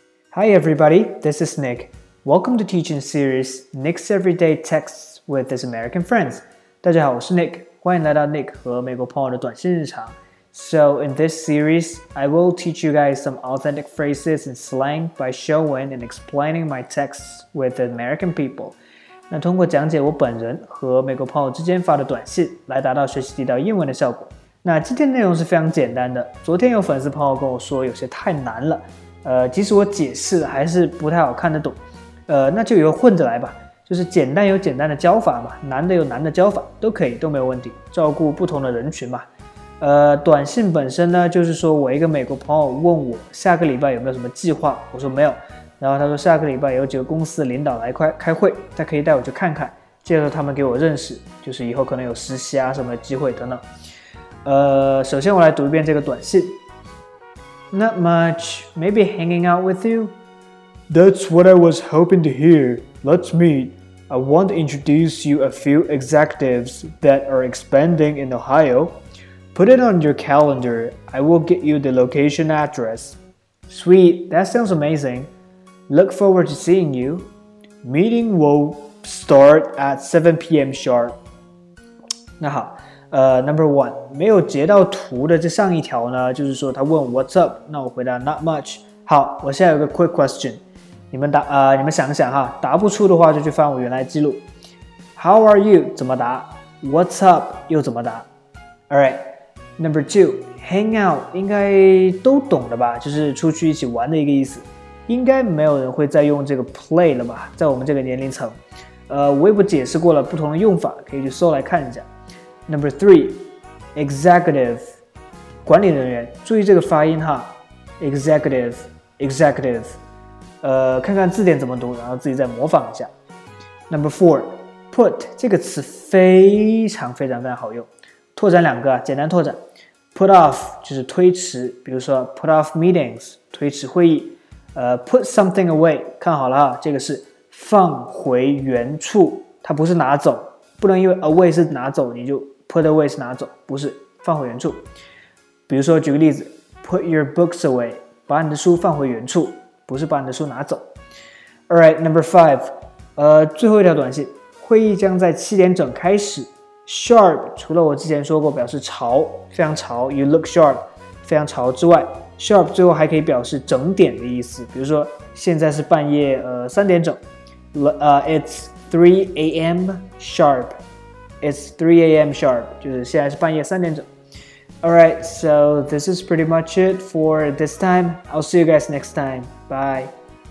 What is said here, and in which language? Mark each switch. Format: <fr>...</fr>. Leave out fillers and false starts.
<en>Hi everybody, this is Nick. Welcome to teaching series Nick's Everyday Texts with his American Friends.</en> <zh>大家好，我是 Nick， 欢迎来到 Nick 和美国朋友的短信日常。</zh> <en>So in this series, I will teach you guys some authentic phrases and slang by showing and explaining my texts with the American people.</en> <zh>那通过讲解我本人和美国朋友之间发的短信，来达到学习地道英文的效果。那今天的内容是非常简单的，昨天有粉丝朋友跟我说有些太难了。即使我解释还是不太好看得懂，那就由混着来吧，就是简单有简单的教法嘛，难的有难的教法，都可以，都没有问题，照顾不同的人群嘛。短信本身呢，就是说我一个美国朋友问我下个礼拜有没有什么计划，我说没有，然后他说下个礼拜有几个公司领导来开会，他可以带我去看看，介绍他们给我认识，就是以后可能有实习啊什么机会等等。首先我来读一遍这个短信。</zh> <en>Not much. Maybe hanging out with you? That's what I was hoping to hear. Let's meet. I want to introduce you a few executives that are expanding in Ohio. Put it on your calendar. I will get you the location address. Sweet. That sounds amazing. Look forward to seeing you. Meeting will start at 7 p.m. sharp.</en> <zh>那好。</zh> <en>Number one,</en> <zh>没有截到图的这上一条呢，就是说他问</zh> <en>What's up?</en> <zh>那我回答</zh> <en>Not much.</en> <zh>好，我现在有个</zh> <en>quick question.</en> <zh>你们想想哈，答不出的话就去翻我原来记录。</zh> <en>How are you?</en> <zh>怎么答 ？</zh> <en>What's up?</en> <zh>又怎么答 ？</zh> <en>All right. Number two, hang out</en> <zh>应该都懂的吧，就是出去一起玩的一个意思。应该没有人会再用这个 play 了吧，在我们这个年龄层。我也不解释过了不同的用法，可以去搜来看一下。</zh> <en>Number three, executive,</en> <zh>管理人员，注意这个发音哈</zh> <en>,executive, executive,</en> <zh>看看字典怎么读，然后自己再模仿一下。</zh> <en>Number four, put,</en> <zh>这个词非常非常非常好用，拓展两个，简单拓展。</zh> <en>Put off,</en> <zh>就是推迟，比如说</zh> <en>put off meetings,</en> <zh>推迟会议。</zh> <en>Put something away,</en> <zh>看好了哈，这个是放回原处，它不是拿走。不能因为 away 是拿走，你就</zh> <en>put away</en> <zh>是拿走，不是放回原处。比如说，举个例子 ，</zh> <en>put your books away，</en> <zh>把你的书放回原处，不是把你的书拿走。</zh> <en>All right, number five，</en> <zh>最后一条短信，会议将在七点整开始。 Sharp， 除了我之前说过表示潮，非常潮 ，</zh> <en>you look sharp，</en> <zh>非常潮之外 ，sharp 最后还可以表示整点的意思。比如说，现在是半夜，三点整</zh> <en>，it's 3 a.m. sharp. It's 3 a.m. sharp.</en> <zh>就是现在是半夜三点整。</zh> <en>Alright, so this is pretty much it for this time. I'll see you guys next time. Bye.</en>